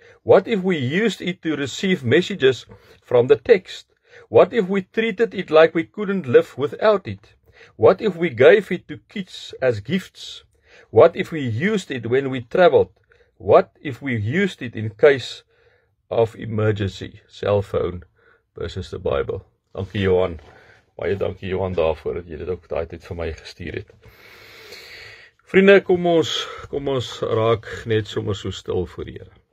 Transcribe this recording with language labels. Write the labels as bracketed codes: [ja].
[en] What if we used it to receive messages from the text? What if we treated it like we couldn't live without it? What if we gave it to kids as gifts? What if we used it when we traveled? What if we used it in case of emergency? Cell phone versus the Bible. [af] Dankie Johan. Baie dankie Johan daarvoor dat jy dit ook daai tyd vir my gestuur het. Vriende, kom ons raak net sommer so stil voor die Here.